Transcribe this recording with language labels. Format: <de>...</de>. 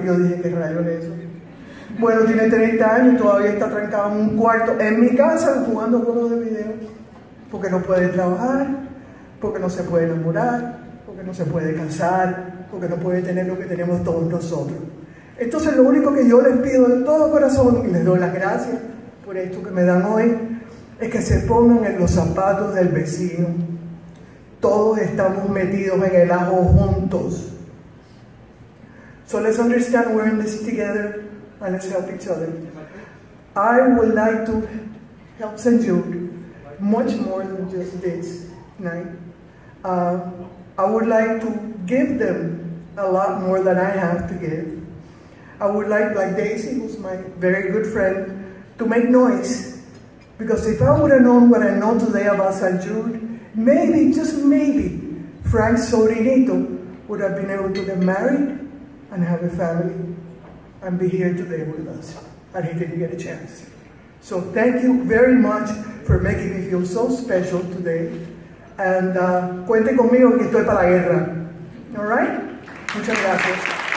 <es>Y yo dije: ¿qué rayos es eso? Bueno, tiene 30 años y todavía está trancado en un cuarto en mi casa jugando juegos de video, porque no puede trabajar, porque no se puede enamorar, porque no se puede casar, porque no puede tener lo que tenemos todos nosotros. Entonces, lo único que yo les pido de todo corazón, y les doy las gracias por esto que me dan hoy, es que se pongan en los zapatos del vecino. Todos estamos metidos en el ajo juntos.</es> <en>So let's understand we're in this together and let's help each other. I would like to help St. Jude much more than just this night. I would like to give them a lot more than I have to give. I would like Daisy, who's my very good friend, to make noise. Because if I would have known what I know today about St. Jude, maybe, just maybe, Frank Sobrinito would have been able to get married and have a family and be here today with us. And he didn't get a chance. So thank you very much for making me feel so special today.</en> <es>And cuente conmigo que estoy para la guerra.</es> <en>All right?</en> <es>Muchas gracias.</es>